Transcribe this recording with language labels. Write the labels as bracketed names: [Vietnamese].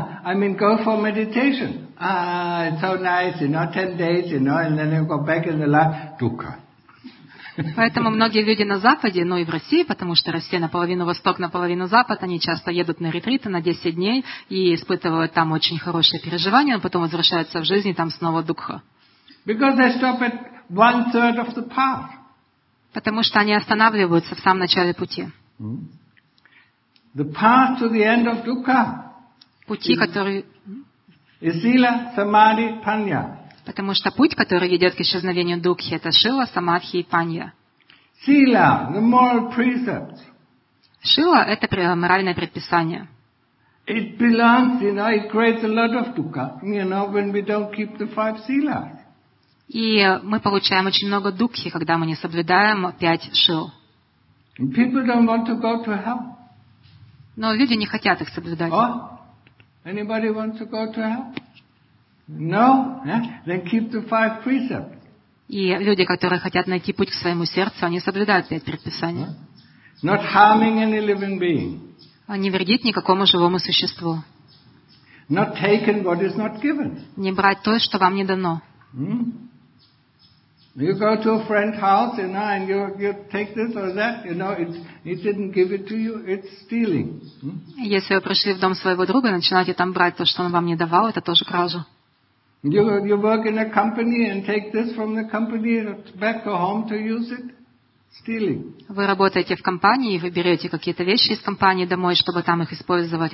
[English] I mean, go for meditation. Ah, it's so nice, you know, 10 days, you know, and then you go back in the life. Dukkha. [Russian] Поэтому многие люди на Западе, ну и в России, потому что Россия наполовину Восток, наполовину Запад, они часто едут на ретриты на 10 дней и испытывают там очень хорошие переживания, но потом возвращаются в жизнь и там снова Дукха. [English] Because they stop at one third of the path. [Russian] Потому что они останавливаются в самом начале пути. [English] The path to the end of Dukkha. [Russian] Пути, который... Сила, Самадхи, Панья. Потому что путь, который ведет к исчезновению Дукхи, это Шила, Самадхи и Панья. [English] Сила, the moral precepts. [Russian] Шила – это моральное предписание. [English] It belongs, you know, it creates a lot of Dukkha, you know, when we don't keep the five Sila. [Russian] И мы получаем очень много Дукхи, когда мы не соблюдаем пять Шил. [English] And people don't want to go to hell. [Russian] Но люди не хотят их соблюдать. [English] Oh, anybody wants to go to hell? No, yeah? They keep the five precepts. [Russian] И люди, которые хотят найти путь к своему сердцу, они соблюдают пять предписаний. [English] Not harming any living being. [Russian] Не вредить никакому живому существу. [English] Not taking what is not given. [Russian] Не брать то, что вам не дано. Hmm? [English] You go to a friend's house, you know, and you take this or that, you know, it didn't give it to you, it's stealing. [Russian] Если вы пришли в дом своего друга, начинаете там брать то, что он вам не давал, это тоже кража. [English] You work in a company and take this from the company back to home to use it. Stealing. [Russian] Вы работаете в компании и вы берете какие-то вещи из компании домой, чтобы там их использовать.